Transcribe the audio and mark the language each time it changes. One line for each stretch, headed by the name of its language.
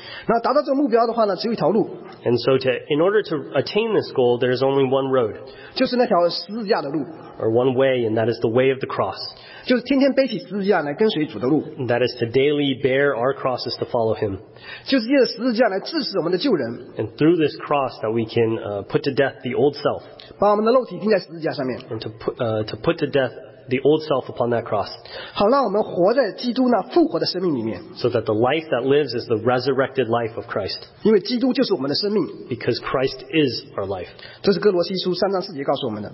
Chinese: 那达到这个目标的话呢 只有一条路
English: and so to in order to attain this goal there is only one road
Chinese: 就是那条十字架的路
English: or one way and that is the way of the cross
Chinese: 就是天天背起十字架来跟随主的路
English: that is to daily bear our crosses to follow him
Chinese: 就是借着十字架来致死我们的旧人
English: and through this cross that we can put to death the old self
Chinese: 把我们的肉体钉在十字架上面。
English: And to put to death the old self upon that cross.
Chinese: 好，让我们活在基督那复活的生命里面。
English: So that the life that lives is the resurrected life of Christ.
Chinese: 因为基督就是我们的生命。
English: Because Christ is our life.
Chinese: 这是哥罗西书三章四节告诉我们的。